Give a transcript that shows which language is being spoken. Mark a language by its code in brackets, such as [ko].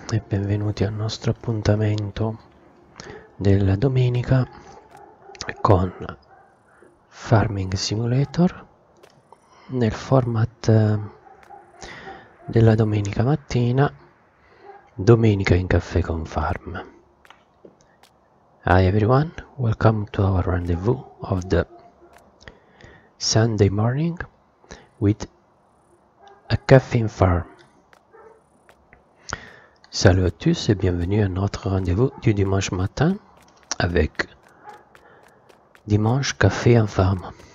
[it] E benvenuti al nostro appuntamento della domenica con Farming Simulator nel format della domenica mattina, Domenica in Caffè con Farm. [en] Hi everyone, welcome to our rendezvous of the Sunday morning with a Caffè in Farm. [fr] Salut à tous et bienvenue à notre rendez-vous du dimanche matin avec Dimanche Café en Farm.